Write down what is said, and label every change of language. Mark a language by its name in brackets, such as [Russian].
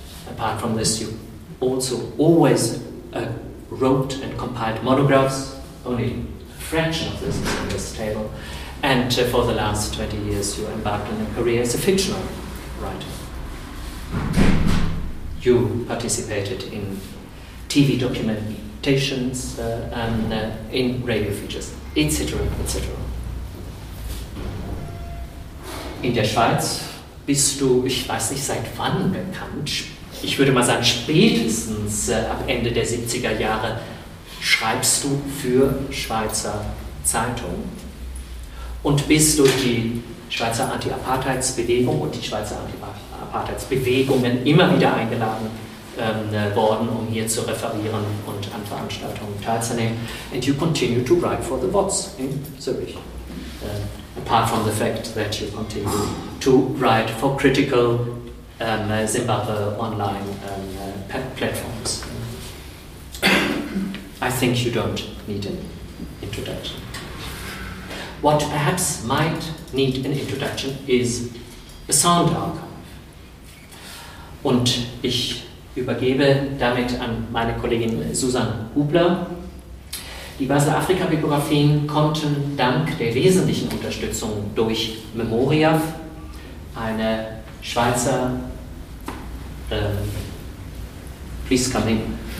[English] Apart from this, you also always wrote and compiled monographs, only a fraction of this is on this table, and for the last 20 years you embarked on a career as a fictional writer. You participated in TV documentations, in radio features, etc., etc. [German] In der Schweiz bist du, ich weiß nicht seit wann bekannt, ich würde mal sagen, spätestens ab Ende der 70er Jahre schreibst du für Schweizer Zeitungen und bist durch die Schweizer Anti-Apartheidsbewegung und die Schweizer Anti-Apartheidsbewegungen immer wieder eingeladen worden, um hier zu referieren und an Veranstaltungen teilzunehmen. [English] And you continue to write for the WOTS in Zürich. Apart from the fact that you continue to write for critical Zimbabwe online platforms. I think you don't need an introduction. What perhaps might need an introduction is a sound archive. [German] Und ich übergebe damit an meine Kollegin Susanne Hubler. Die Basler Afrika-Biografien konnten dank der wesentlichen Unterstützung durch Memoriaf, eine Schweizer [English] please come in.